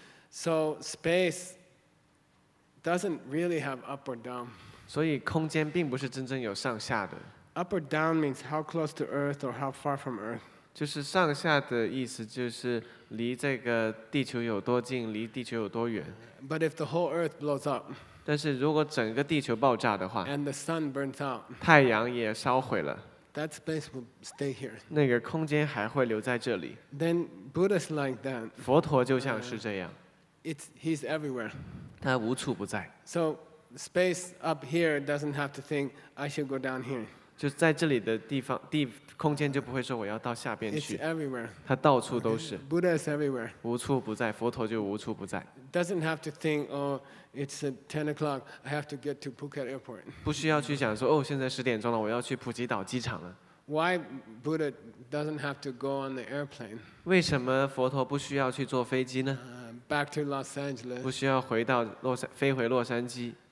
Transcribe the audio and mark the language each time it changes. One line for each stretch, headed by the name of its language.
English: So space doesn't really have up or down.
Chinese: 所以空间并不是真正有上下的。
English: Up or down means how close to Earth or how far from Earth.
Chinese: 就是上下的意思就是离这个地球有多近，离地球有多远。
English: But if the whole Earth blows up.
Chinese: 但是如果整个地球爆炸的话。
English: And the sun burns out.
Chinese: 太阳也烧毁了。
English: That space will stay here.
Chinese: 那个空间还会留在这里。
English: Then Buddha's like that.
Chinese: 佛陀就像是这样。
English: He's everywhere.
Chinese: 他无处不在。
English: So space up here doesn't have to think I should go down here.
Chinese: 就在这里的地方，地空间就不会说我要到下边去。
English: It's everywhere.
Chinese: 他到处都是。
English: Buddha is everywhere.
Chinese: 无处不在，佛陀就无处不在。
English: Doesn't have to think, oh, it's 10 o'clock. I have to get to Phuket Airport.
Chinese: 不需要去想说哦，现在10点钟了，我要去普吉岛机场了。
English: Why Buddha doesn't have to go on the airplane?
Chinese: 为什么佛陀不需要去坐飞机呢？
English: Back to Los Angeles.
Chinese: 不需要回到洛杉飞回洛杉矶。